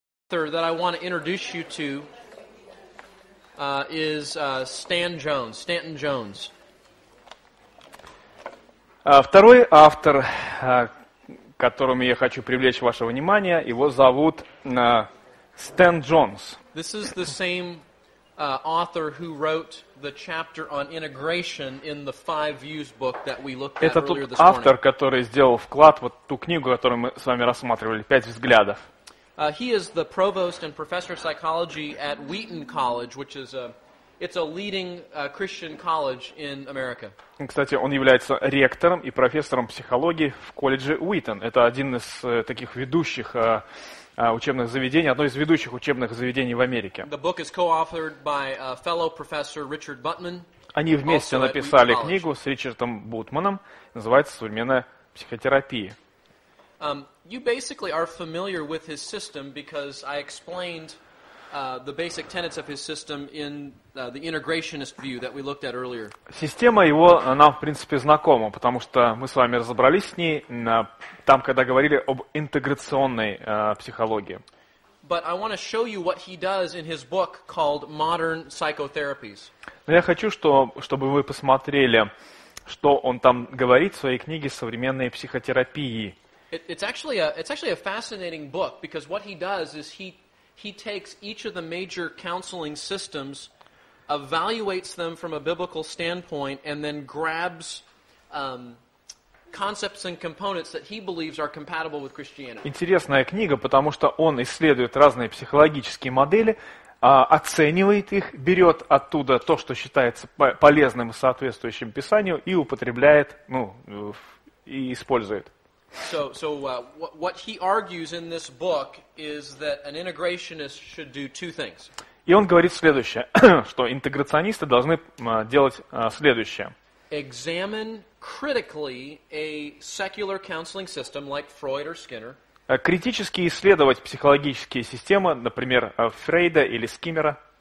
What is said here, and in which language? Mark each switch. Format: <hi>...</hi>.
<en>author that I want to introduce you to is Stanton Jones.</en> <ru>Второй автор, которому я хочу привлечь ваше внимание, его зовут Стэн Джонс.</ru> <en>This is the same author who wrote the chapter on integration in the Five Views book that we looked at earlier this morning.</en> <ru>Это тот автор, который сделал вклад вот ту книгу, которую мы с вами рассматривали, «Пять взглядов».</ru> <en>He is the provost and professor of psychology at Wheaton College, which is a leading Christian college in America.</en> <ru>Кстати, он является ректором и профессором психологии в колледже Уитон. Это один из таких ведущих учебных заведений, одно из ведущих учебных заведений в Америке.</ru> <en>The book is co-authored by fellow professor Richard Butman.</en> <ru>Они вместе написали книгу с Ричардом Бутманом, называется «Современная психотерапия».</ru> <en>You basically are familiar with his system because I explained the basic tenets of his system in the integrationist view that we looked at earlier.</en> <ru>Система его нам, в принципе, знакома, потому что мы с вами разобрались с ней там, когда говорили об интеграционной психологии.</ru> <en>But I want to show you what he does in his book called Modern Psychotherapies.</en> <ru>Но я хочу, чтобы вы посмотрели, что он там говорит в своей книге «Современные психотерапии».</ru> <en>It's actually a fascinating book because what he does is he takes each of the major counseling systems, evaluates them from a biblical standpoint, and then grabs concepts and components that he believes are compatible with Christianity.</en> <ru>Интересная книга, потому что он исследует разные психологические модели, оценивает их, берет оттуда то, что считается полезным и соответствующим Писанию, и употребляет, и использует.</ru> <en>What he argues in this book is that an integrationist should do two things.</en> <ru>И он говорит следующее, что интеграционисты должны делать следующее.</ru> <en>Examine critically a secular counseling system like Freud or Skinner.</en> <ru>Критически исследовать психологические системы, например, Фрейда или Скиннера.</ru>